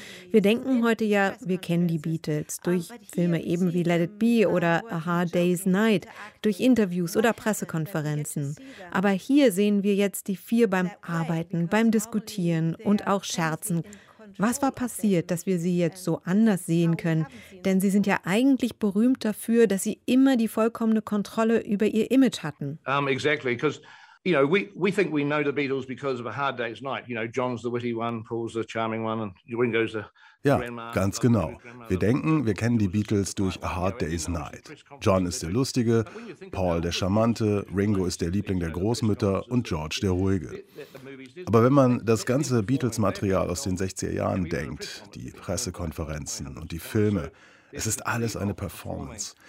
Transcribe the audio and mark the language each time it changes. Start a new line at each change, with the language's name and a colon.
German: Wir denken heute ja, wir kennen die Beatles durch Filme eben wie Let It Be oder A Hard Day's Night, durch Interviews oder Pressekonferenzen. Aber hier sehen wir jetzt die vier beim Arbeiten, beim Diskutieren und auch Scherzen. Was war passiert, dass wir sie jetzt so anders sehen können? Denn sie sind ja eigentlich berühmt dafür, dass sie immer die vollkommene Kontrolle über ihr Image hatten.
English: Exactly, because you know we think we know the Beatles because of A Hard Day's Night. You know, John's the witty one, Paul's the charming one, and Ringo's the.
German: Ja, ganz genau. Wir denken, wir kennen die Beatles durch A Hard Day's Night. John ist der Lustige, Paul der Charmante, Ringo ist der Liebling der Großmütter und George der Ruhige. Aber wenn man das ganze Beatles-Material aus den 60er Jahren denkt, die Pressekonferenzen und die Filme, es ist alles eine Performance.